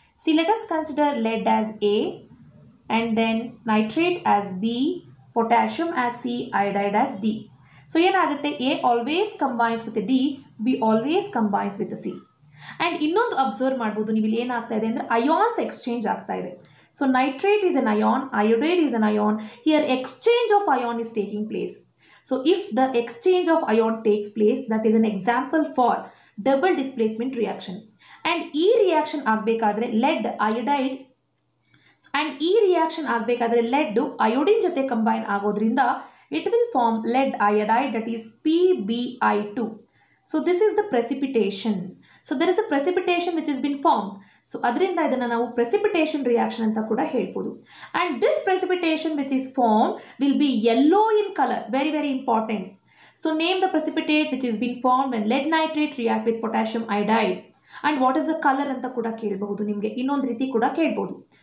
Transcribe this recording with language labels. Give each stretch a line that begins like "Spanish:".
English: See let us consider lead as A and then nitrate as B, potassium as C, iodide as D. So
Kannada: ಏನಾಗುತ್ತೆ,
English: A always combines with D, B always combines with C.
Kannada: And ಇನ್ನೊಂದು observe ಮಾಡ್ಬೋದು ನೀವು, ಇಲ್ಲಿ ಏನಾಗ್ತಾ ಇದೆ ಅಂದರೆ ions exchange ಆಗ್ತಾ ಇದೆ.
English: So nitrate is anion, iodide is anion, here exchange of ion is taking place. So if the exchange of ion takes place, that is an example for double displacement reaction. And
Kannada: ee reaction aagbekadre
English: lead iodide, and ee reaction aagbekadre lead iodine
Kannada: jothe combine aagodrinda
English: it will form lead iodide, that is PbI2. So this is the precipitation. So there is a precipitation which has been formed.
Kannada: So ಅದರಿಂದ ಇದನ್ನು ನಾವು precipitation reaction ಅಂತ ಕೂಡ ಹೇಳ್ಬೋದು.
English: And this precipitation which is form will be yellow in colour, very very important. So name the precipitate which is been form and lead nitrate react with potassium iodide, and what is the colour
Kannada: ಅಂತ ಕೂಡ ಕೇಳಬಹುದು ನಿಮಗೆ, ಇನ್ನೊಂದು ರೀತಿ ಕೂಡ ಕೇಳ್ಬೋದು.